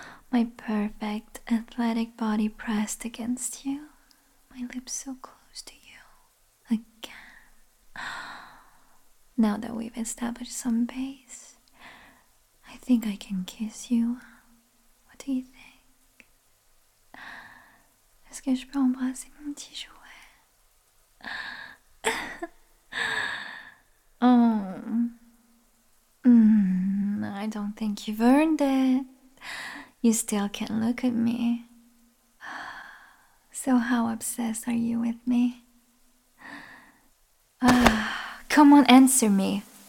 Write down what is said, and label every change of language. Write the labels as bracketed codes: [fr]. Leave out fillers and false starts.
[en] My perfect athletic body pressed against you. My lips so close to you. Again. Now that we've established some base, I think I can kiss you. What do you think? [fr] Est-ce que je peux embrasser mon petit jouet? [en] I don't think you've earned it. You still can't look at me. So how obsessed are you with me? Come on, answer me.